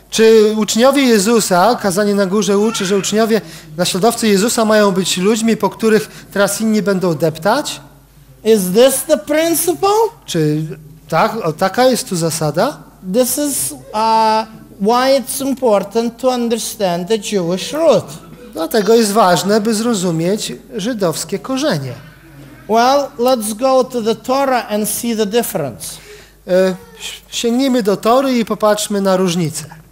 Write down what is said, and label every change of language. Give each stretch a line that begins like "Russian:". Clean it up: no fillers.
Polish: Czy uczniowie Jezusa, kazanie na górze uczy, że uczniowie, naśladowcy Jezusa mają być ludźmi, po których teraz inni będą deptać?
English: Is this the principle?
Polish: Czy tak, taka jest tu zasada?
English: This is why it's important to understand the Jewish root.
Polish: Dlatego jest ważne, by zrozumieć żydowskie korzenie.
English: Well, let's go to the Torah and see the difference.
Polish: Sięgnijmy do Tory i popatrzmy na różnicę.